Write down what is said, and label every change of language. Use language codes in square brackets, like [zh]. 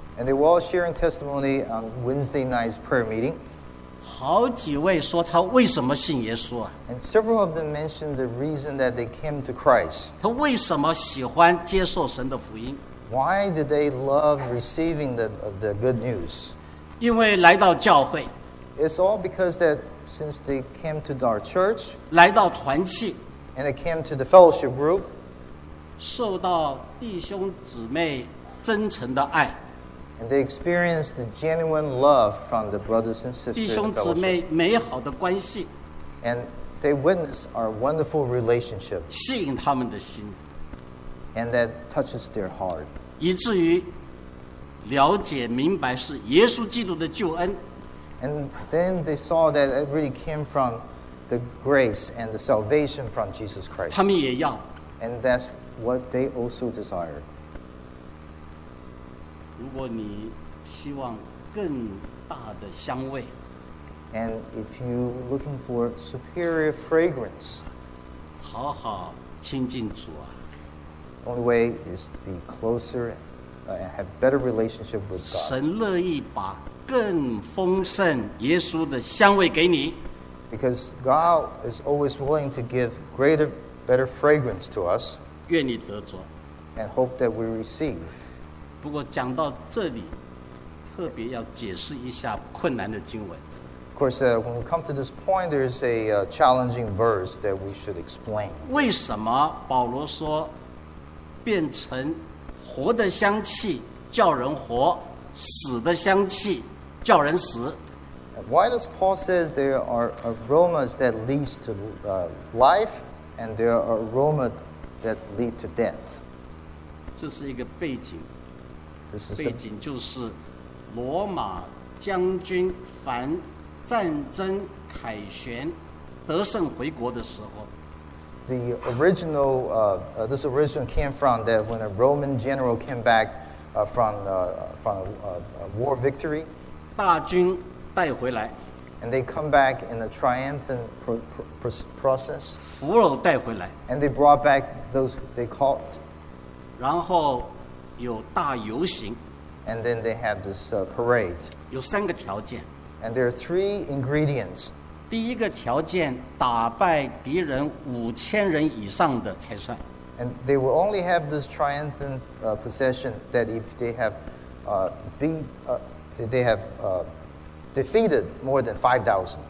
[en] And they were all sharing testimony on Wednesday night's prayer meeting. [zh] 好几位说他为什么信耶稣啊 [en] ？And several of them mentioned the reason that they came to Christ. [zh] 他为什么喜欢接受神的福音 [en] ？Why did they love receiving the good news? [zh] 因为来到教会。 [en] It's all because that since they came to our church. [zh] 来到团契。 [en] And they came to the fellowship group. [zh] 受到弟兄姊妹真诚的爱 [en] and they experienced the genuine love from the brothers and sisters [zh] 弟兄姊妹美好的关系 [en] and they witness our wonderful relationship [zh] 吸引他们的心 [en] and that touches their heart [zh] 以至于了解明白是耶稣基督的救恩 [en] and then they saw that it really came from the grace and the salvation from Jesus Christ [zh] 他们也要 [en] and that'swhat they also desire. [zh] 如果你希望更大的香味 [en] and if you're looking for superior fragrance, [zh] 好好亲近主啊 [en] only way is to be closer and have better relationship with God. [zh] 神乐意把更丰盛耶稣的香味给你 [en] because God is always willing to give greater, better fragrance to us. [zh] 愿你得着 [en] and hope that we receive. [zh] 不过讲到这里，特别要解释一下困难的经文。 [en] Of course, when we come to this point, there is a challenging verse that we should explain. [zh] 为什么保罗说变成活的香气叫人活，死的香气叫人死？ [en] Why does Paul say there are aromas that leads to life, and there are aromas that lead to death. [zh] 这是一个背景。 [en] This is [zh] 背景就是罗马将军凡战争凯旋得胜回国的时候。 [en] The original, this original came from that when a Roman general came back from a war victory. [zh] 大军带回来。 [en] And they come back in a triumphant process. [zh] 俘虏带回来。 [en] And they brought back those they caught. [zh] 然后有大游行。 [en] And then they have this parade. [zh] 有三个条件。 [en] And there are three ingredients. [zh] 第一个条件，打败敌人五千人以上的才算。 [en] And they will only have this triumphant possession that if they have defeated more than 5,000.